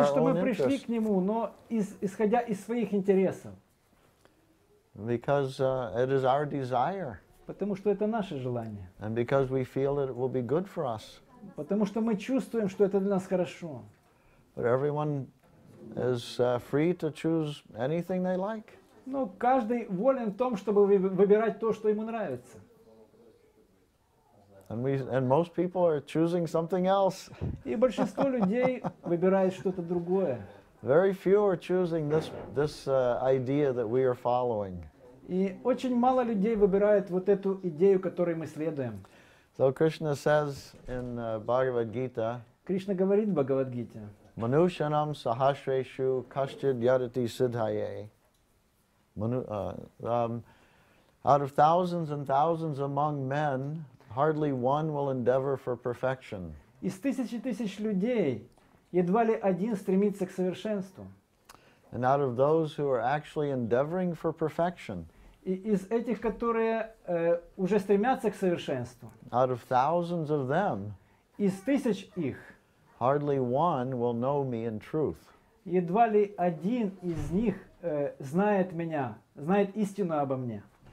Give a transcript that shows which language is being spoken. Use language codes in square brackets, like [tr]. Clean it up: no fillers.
[ru] Он хочет, чтобы мы пришли к нему, но исходя из своих интересов. [en] Because it is our desire. [ru] Потому что это наше желание. [en] And because we feel that it will be good for us. [ru] Потому что мы чувствуем, что это для нас хорошо. [en] But everyone is free to choose anything they like. [ru] Но каждый волен в том, чтобы выбирать то, что ему нравится. [en] And most people are choosing something else. [ru] И большинство людей выбирает что-то другое. [en] Very few are choosing this idea that we are following. [ru] И очень мало людей выбирает вот эту идею, которой мы следуем. [en] So Krishna says in Bhagavad-gita. [ru] Кришна говорит в Бхагавад-гите. [sa] Manushanam sahasreshu kaschid yadati siddhaye. [en] Out of thousands and thousands among men, hardly one will endeavor for perfection. [ru] Из тысяч и тысяч людей едва ли один стремится к совершенству. [en] And out of those who are actually endeavoring for perfection. [ru] И из этих, которые уже стремятся к совершенству. [en] Out of thousands of them. [ru] Из тысяч их. [en] Hardly one will know me in truth. [ru] Едва ли один из них знает меня, знает истину обо мне.